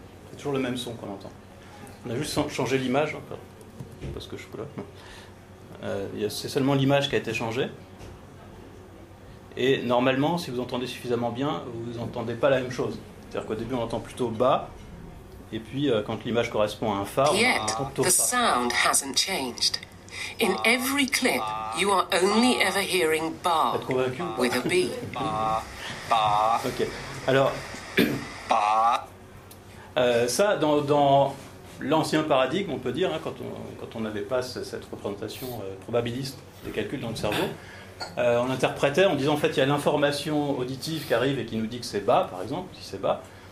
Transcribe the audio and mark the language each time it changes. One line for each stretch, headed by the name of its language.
French: C'est toujours le même son qu'on entend. On a juste changé l'image encore. Je sais pas ce que je fous là. C'est seulement l'image qui a été changée. Et normalement, si vous entendez suffisamment bien, vous n'entendez pas la même chose. C'est-à-dire qu'au début, on entend plutôt bas. Et puis, quand l'image correspond à un fa, on a un tantôt fa.
English: The sound hasn't changed. In every clip, you are only ever hearing ba with a b. Ba.
French: Ok. Alors. Ba. Ça, dans l'ancien paradigme, on peut dire, hein, quand on n'avait pas cette représentation probabiliste des calculs dans le cerveau, on interprétait en disant en fait il y a l'information auditive qui arrive et qui nous dit que c'est ba, par exemple, si c'est ba.